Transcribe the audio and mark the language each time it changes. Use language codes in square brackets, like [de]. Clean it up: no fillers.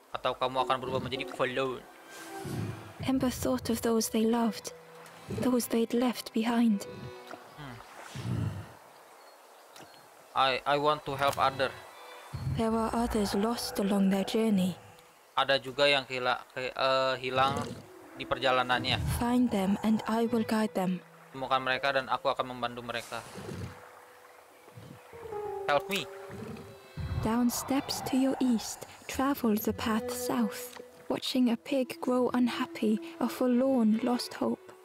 [id] Atau kamu akan berubah menjadi forlorn. [en] Ember thought of those they loved, those they'd left behind. I want to help other. There were others lost along their journey. [id] Ada juga yang hilang di perjalanannya. [en] Find them and I will guide them. [id] Temukan mereka dan aku akan membantu mereka. [en] Help me. Down steps to your east, travel the path south, watching a pig grow unhappy, a forlorn lost hope.